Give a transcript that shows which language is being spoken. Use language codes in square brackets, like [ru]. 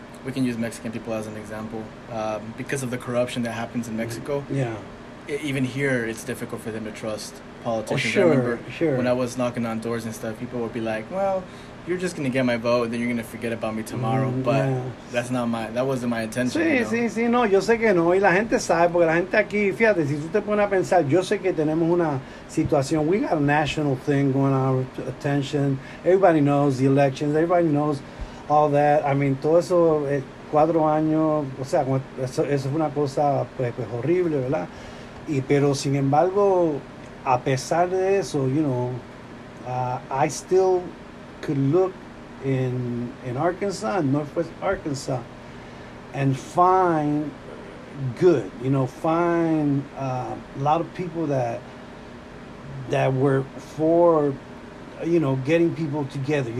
[en] We can use Mexican people as an example. Because of the corruption that happens in Mexico. Yeah. Even here, it's difficult for them to trust politicians. Oh, sure, I remember when I was knocking on doors and stuff, people would be like, well, you're just gonna get my vote, then you're gonna forget about me tomorrow. But that's not my, that wasn't my intention. [es] No, yo sé que no. Y la gente sabe, porque la gente aquí, fíjate, si tú te pones a pensar, yo sé que tenemos una situación. [en] We got a national thing going on, attention. Everybody knows the elections. Everybody knows all that. I mean, [es] todo eso, cuatro años, o sea, eso fue una cosa pues horrible, ¿verdad? Y pero sin embargo, a pesar de eso, [en] you know, I still could look in Arkansas, Northwest Arkansas, and find good, you know, find a lot of people that were for, you know, getting people together.